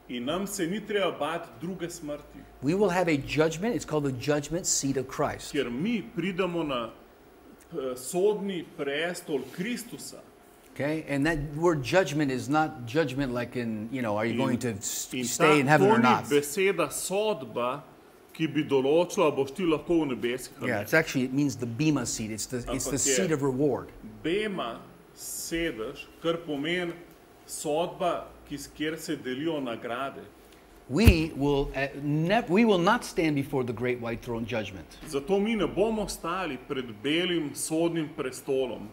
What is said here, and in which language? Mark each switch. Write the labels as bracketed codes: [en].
[sl] In nam se ni treba bat druge smrti. [en] We will have a judgment. It's called the judgment seat of Christ. [sl] Ker mi pridemo na sodni prestol Kristusa. [en] Okay, and that word judgment is not judgment like in, you know, are you going to stay in heaven or not? [sl] Beseda sodba, ki bi določila, boš ti lahko v nebesih. [en] Yeah, it's actually, it means the bema seat. It's the seat of reward. [sl] Bema sedeš, kar pomeni sodba, kjer se delijo nagrade. [en] We will not stand before the great white throne judgment. [sl] Zato mi ne bomo stali pred belim sodnim prestolom.